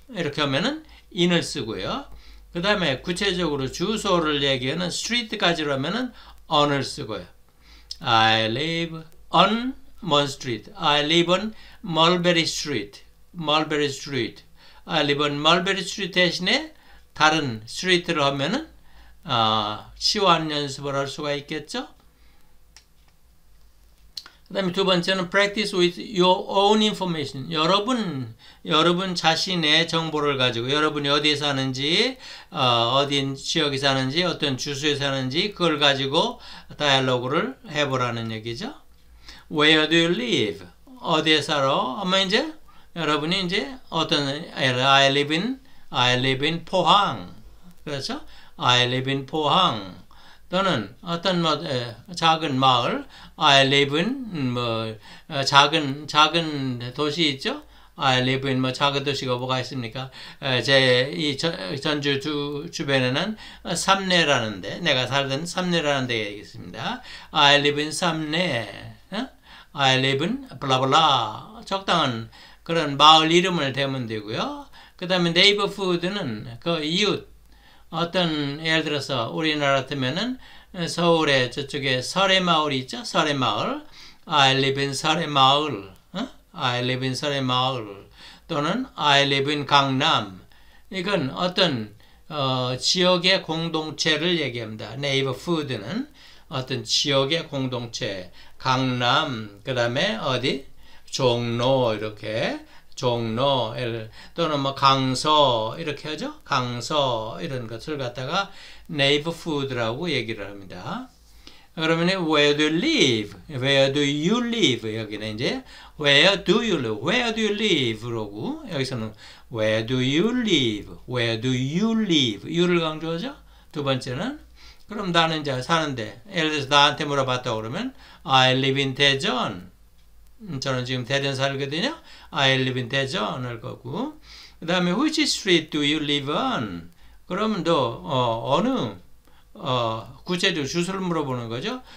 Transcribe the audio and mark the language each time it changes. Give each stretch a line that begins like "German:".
Korean: 이렇게 하면은 인을 쓰고요. 그 다음에 구체적으로 주소를 얘기하는 스트리트까지라면은 on을 쓰고요.
English: I live on
Korean: 뭔 스트리트?
English: I live on Mulberry Street. Mulberry Street. I live on Mulberry Street
Korean: 대신에 다른 스트리트를 하면은 치환 연습을 할 수가 있겠죠. 그 다음에 두 번째는
English: practice with your own information.
Korean: 여러분 자신의 정보를 가지고, 여러분이 어디에 사는지, 어디 지역에 사는지, 어떤 주소에 사는지, 그걸 가지고 다이얼로그를 해보라는 얘기죠.
English: Where do you live?
Korean: 어디에 살아? 아마 이제, 여러분이 이제, 어떤,
English: I live in
Korean: 포항. 그렇죠?
English: I live in 포항.
Korean: 또는 어떤 뭐 작은 마을,
English: I live in
Korean: 뭐 작은 도시 있죠?
English: I live in
Korean: 뭐 작은 도시가 뭐가 있습니까? 제이 전주 주변에는 삼내라는 데, 내가 살던 삼내라는 데가 있습니다.
English: I live in 삼내, I live in 블라블라,
Korean: 적당한 그런 마을 이름을 대면 되고요. 그 다음에 네이버푸드는 그 이웃, 어떤 예를 들어서 우리나라 같으면은 서울에 저쪽에 설의 마을 있죠? 설의 마을.
English: I live in
Korean: 설의 마을.
English: I live in 설의 마을. 또는 I live in 강남.
Korean: 이건 어떤 지역의 공동체를 얘기합니다. 네이버푸드는 어떤 지역의 공동체. 강남, 그 다음에 어디? 종로, 이렇게. 종로, 또는 뭐 강서, 이렇게 하죠? 강서, 이런 것을 갖다가 네이버푸드라고 얘기를 합니다. 그러면
English: where do you live? Where do you live?
Korean: 여기는 이제
English: where do you live? Where do you live?
Korean: 그러고 여기서는
English: where do you live? Where do you live?
Korean: you를 강조하죠? 두 번째는 그럼 나는 이제 사는데 예를 들어서 나한테 물어봤다 그러면
English: I live in
Korean: 대전. 저는 지금 대전 살거든요.
English: I live in
Korean: 대전을 거고 그 다음에
English: which street do you live on?
Korean: 그러면 너 어느 구체적으로 주소를 물어보는 거죠.